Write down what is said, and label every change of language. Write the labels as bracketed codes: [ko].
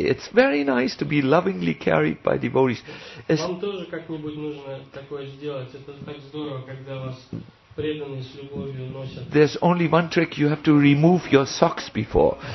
[en] It's very nice to be lovingly carried by devotees. [ru] Вам тоже как-нибудь нужно такое сделать. Это так здорово, когда вас преданные с любовью носят. [en] There's only one trick. You have to remove your socks before.